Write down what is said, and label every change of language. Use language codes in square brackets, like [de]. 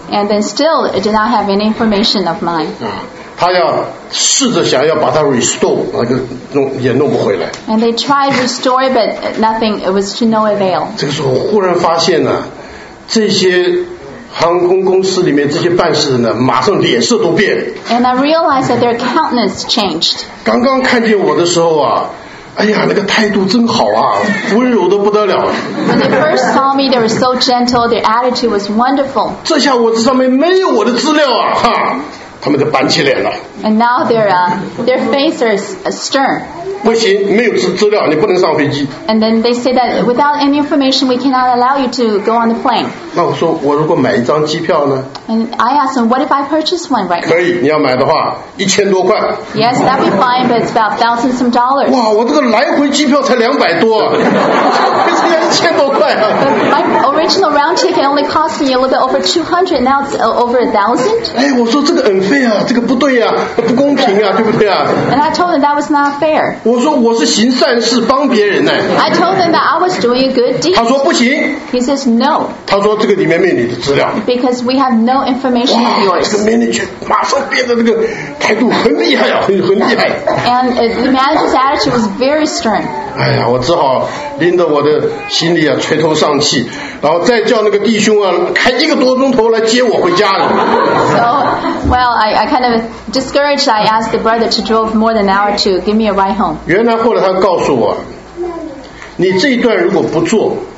[en] And then still, it did not have any information of mine. [zh] 他要试着想要把它 restore， 那个弄不回来。 [en] And they tried restore, but nothing. It was to no avail. [zh] 这个时候忽然发现呢，这些。航空公司里面这些办事人呢，马上脸色都变。 [en] And I realized that their countenance changed. [zh] 刚刚看见我的时候啊，哎呀，那个态度真好啊，温柔的不得了。 [en] When they first saw me, they were so gentle. Their attitude was wonderful. [zh] 这下我这上面没有我的资料啊，哈，他们就板起脸了。 [en] And now their faces are stern. [zh] 不行，没有资料，你不能上飞机。 [en] And then they say that without any information, we cannot allow you to go on the plane. [zh] 那我说，我如果买一张机票呢 [en] ？And I asked them, what if I purchase one right now? [zh] 可以，你要买的话，1000多块。 [en] Yes, that'd be fine, but it's about thousands of dollars. [zh] 哇，我这个来回机票才200多，为什么要1000多块啊 [en] ？But my original round ticket only cost me a little bit over 200. Now it's over 1000. [zh] 哎，我说这个unfair啊，这个不对啊，不公平啊，对不对啊 [en] ？And I told them that was not fair. [zh] 我说我是行善事帮别人呢。 [en] I told them that I was doing a good deed. [zh] 他说不行。 [en] He says no. [zh] 他说这个里面没有你的资料。 [en] Because we have no information of yours. [zh] 这个 manager 马上变得这个态度很厉害啊，很厉害。 [en] And the manager's attitude was very stern. [zh] 哎呀，我只好拎着我的行李啊，垂头丧气，然后再叫那个弟兄啊，开一个多钟头来接我回家了。 [en] So, well, I kind of discouraged. I asked the brother to drove more than an hour to give me a ride home. [zh] 原来后来他告诉我，你这一段如果不做，